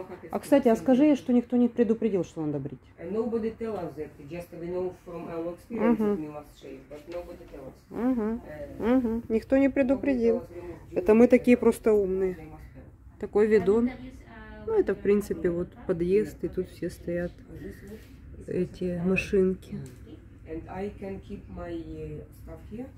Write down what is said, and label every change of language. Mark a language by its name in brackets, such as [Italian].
[Russian] А, кстати, а скажи, что никто не предупредил, что надо брить. [English] Nobody tell us that. Just we know from our experience that we must shave, but nobody tell us. [Russian] Никто не предупредил. Это мы такие просто умные. Такой ведун. Ну, это, в принципе, вот подъезд, и тут все стоят эти машинки. [English] And I can keep my stuff here?